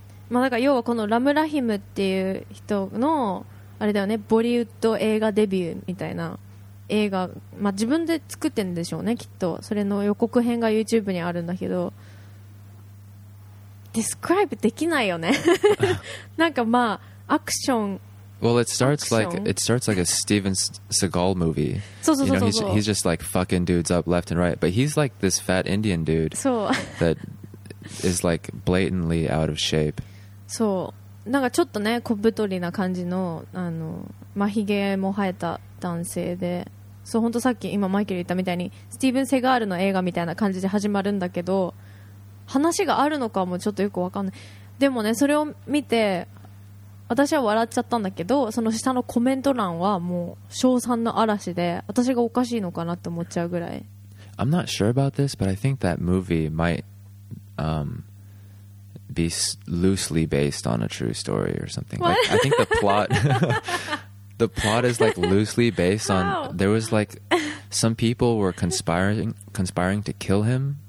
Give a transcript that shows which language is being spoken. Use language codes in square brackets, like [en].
[ja] まあなんか要はこのラムラヒムっていう人のあれだよね、ボリウッド映画デビューみたいな映画、まあ自分で作ってるんでしょうねきっと。それの予告編が YouTube にあるんだけど、ディスクライブできないよね。なんかまあアクション。 [en] Well, it starts like a Steven Seagal movie. You know, he's just like fucking dudes up left and right. But he's like this fat Indian dude that is like blatantly out of shape. [ja] そう、なんかちょっとね、小太りな感じの、まひげも生えた男性で、そう、本当さっき今マイケル言ったみたいに、スティーブン・セガールの映画みたいな感じで始まるんだけど、話があるのかもちょっとよくわかんない。でもね、それを見て、私は笑っちゃったんだけど、その下のコメント欄はもう称賛の嵐で、私がおかしいのかなって思っちゃうぐらい。 [en] I'm not sure about this, but I think that movie might be loosely based on a true story or something. What? Like, I think the plot, the plot is like loosely based on. There was like some people were conspiring to kill him.